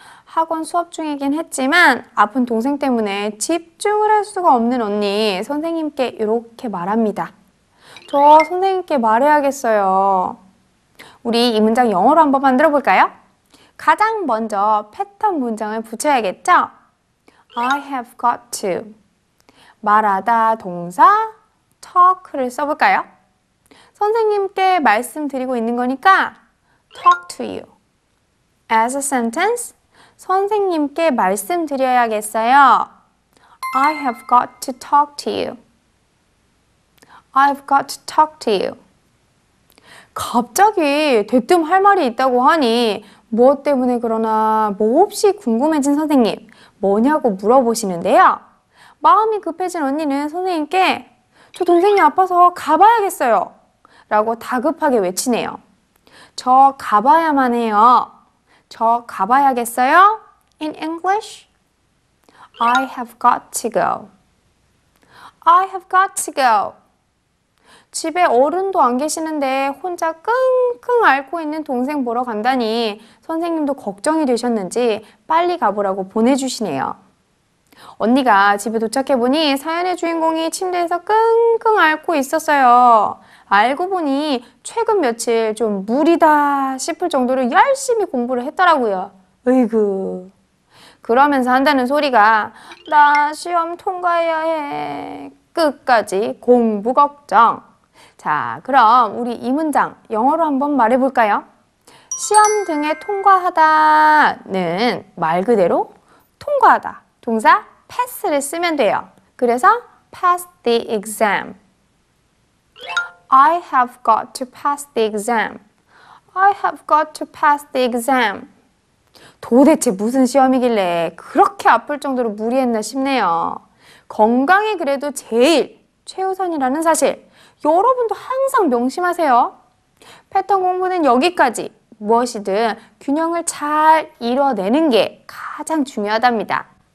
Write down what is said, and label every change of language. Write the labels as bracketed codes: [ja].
[ko] 학원 수업 중이긴 했지만 아픈 동생 때문에 집중을 할 수가 없는 언니 선생님께 이렇게 말합니다. 저 선생님께 말해야겠어요. 우리 이 문장 영어로 한번 만들어 볼까요? 가장 먼저 패턴 문장을 붙여야겠죠? [en] I have got to [ko] 말하다 동사 talk를 써볼까요? 선생님께 말씀드리고 있는 거니까 [en] talk to you as a sentence [ko] 선생님께 말씀드려야겠어요. [en] I have got to talk to you. I've got to talk to you. [ko] 갑자기 대뜸 할 말이 있다고 하니 무엇 때문에 그러나 몹시 궁금해진 선생님 뭐냐고 물어보시는데요. 마음이 급해진 언니는 선생님께 저 동생이 아파서 가봐야겠어요. 라고 다급하게 외치네요. 저 가봐야만 해요. 저 가봐야겠어요? [en] In English, I have got to go. I have got to go. [ko] 집에 어른도 안 계시는데 혼자 끙끙 앓고 있는 동생 보러 간다니 선생님도 걱정이 되셨는지 빨리 가보라고 보내주시네요. 언니가 집에 도착해 보니 사연의 주인공이 침대에서 끙끙 앓고 있었어요. 알고 보니 최근 며칠 좀 무리다 싶을 정도로 열심히 공부를 했더라고요. 으이그. 그러면서 한다는 소리가 나 시험 통과해야 해. 끝까지 공부 걱정. 자, 그럼 우리 이 문장 영어로 한번 말해볼까요? 시험 등에 통과하다는 말 그대로 통과하다. 동사 pass를 쓰면 돼요. 그래서 [en] pass the exam. I have got to pass the exam. I have got to pass the exam. [ko] 도대체 무슨 시험이길래 그렇게 아플 정도로 무리했나 싶네요. 건강이 그래도 제일 최우선이라는 사실 여러분도 항상 명심하세요. 패턴 공부는 여기까지. 무엇이든 균형을 잘 이뤄내는 게 가장 중요하답니다.